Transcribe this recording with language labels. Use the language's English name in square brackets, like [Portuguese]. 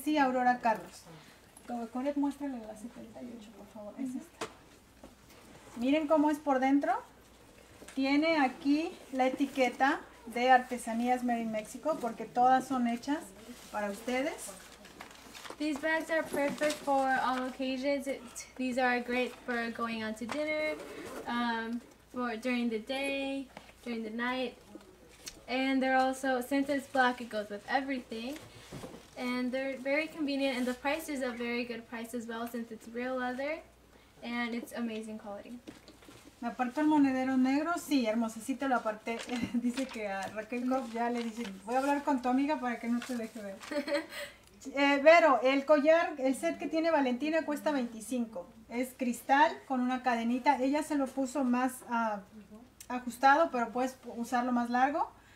[Spanish] Sí, Aurora Carlos. Coret, muéstrale la 78, por favor. Es esta. Miren cómo es por dentro. Tiene aquí la etiqueta de Artesanías Made in Mexico, porque todas son hechas para ustedes. [English] These bags are perfect for all occasions. These are great for going out to dinner, for during the day, during the night. And they're also, since it's black, it goes with everything. And they're very convenient, and the price is a very good price as well, since it's real leather, and it's amazing quality. [Spanish] ¿Me aparto el monedero negro? Sí, hermosecito, lo aparté. Dice que a Raquel Goff ya le dice, voy a hablar con tu amiga para que no te deje ver. Vero, el collar, el set que tiene Valentina cuesta 25. Es cristal con una cadenita. Ella se lo puso más ajustado, pero puedes usarlo más largo.